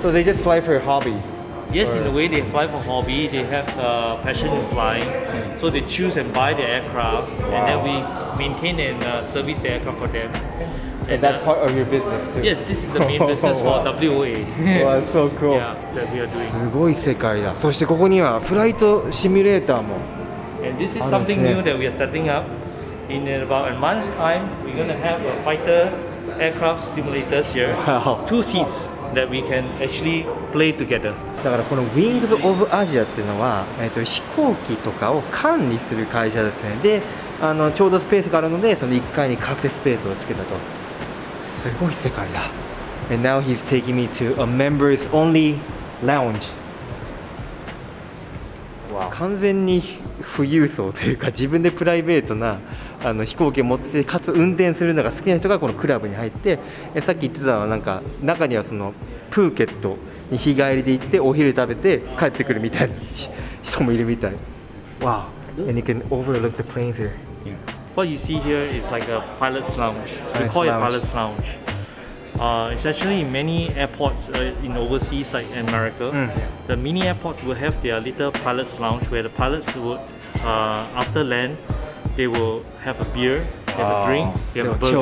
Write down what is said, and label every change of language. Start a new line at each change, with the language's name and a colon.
English: So they just fly for a hobby? Yes, in a way they fly for hobby. They have a passion in flying. So they choose and buy the aircraft. Wow. And then we maintain and service the aircraft for them. And that's part of your business too? Yes, this is the main business for WOA. Wow, that's so cool. Yeah, that we are doing.
Japanese: すごい世界だ。そしてここにはフライトシミュレーターも。
English: And this is something new that we are setting up. In about a month's time, we're going to have a fighter aircraft simulators here. Wow. Two seats that we can actually play together.
Japanese: だからこのWings of Asiaっていうのは 飛行機とかを管理する会社ですね。で、ちょうどスペースがあるので その1階にカフェスペースをつけたと。すごい世界だ。
English: And now he's taking me to a members only lounge. Wow.
Japanese: 完全に富裕層というか自分でプライベートな あの飛行機を持ってて、かつ運転するのが好きな人がこのクラブに入って、さっき言ってたのはなんか中にはそのプーケットに日帰りで行ってお昼食べて帰ってくるみたいな人もいるみたい。
English: Wow. And you can overlook the planes here. Yeah. What you see here is like a pilot's lounge. We call it pilot's lounge. It's actually in many airports in overseas like America. Mm. The mini airports will have their little pilot's lounge where the pilots would, after land, they will have a beer, have a drink, they have a burger.